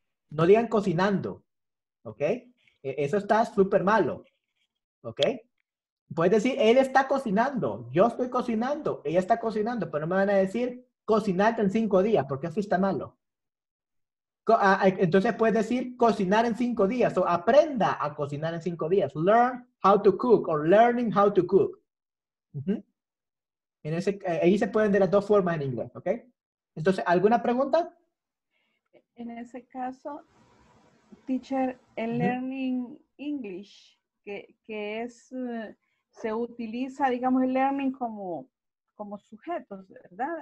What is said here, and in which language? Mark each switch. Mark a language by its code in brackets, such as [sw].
[es] No digan cocinando, ¿ok? Eso está súper malo, ¿ok? Puedes decir, él está cocinando, yo estoy cocinando, ella está cocinando, pero no me van a decir cocinar en 5 días, porque eso está malo. Entonces puedes decir cocinar en 5 días o aprenda a cocinar en 5 días. [en] Learn how to cook o learning how to cook. Uh-huh. [es] Ahí se pueden de las dos formas en inglés, ¿ok? Entonces, ¿alguna pregunta? En ese caso, teacher, el [en] learning English, [es] que es, se utiliza, digamos, el learning como sujeto, ¿verdad?